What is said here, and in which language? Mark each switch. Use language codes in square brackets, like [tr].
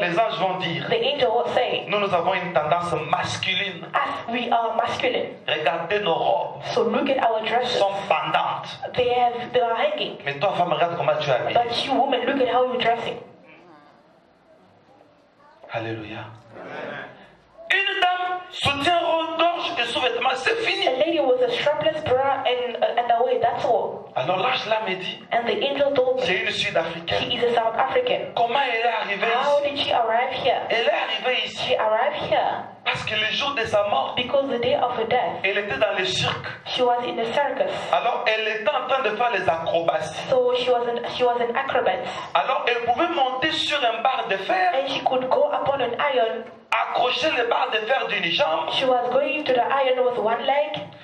[fr] Les anges vont dire. [en] The angel will say. [fr] Nous avons une tendance masculine. [en] As we are masculine. [fr] Regardez nos robes. [en] So look at our dresses. [fr] Sont pendantes. [en] They are hanging. [fr] Mais toi femme, regarde comment tu es habillée. [en] But you woman, look at how you're dressing. [fr] Alléluia. Une dame soutient regorge et sous-vêtements, c'est fini. [en] A lady with a strapless bra and away, that's all. [fr] Alors l'ange là me dit. [en] And the angel told me. [fr] C'est une Sud-Africaine. [en] She is a South African. [fr] Comment elle est arrivée [en] How [fr] ici? [en] How did she arrive here? [fr] Elle est arrivée ici. [en] She arrived here. [fr] Parce que le jour de sa mort. [en] Because the day of her death. [fr] Elle était dans le cirque. [en] She was in the circus. [fr] Alors elle était en train de faire les acrobaties. [en] So she was an acrobat. [fr] Alors elle pouvait monter sur un bar de fer. [en] And she could go upon an iron. [fr] Accrocher les barres de fer d'une jambe. [en] She was going to the iron with one leg.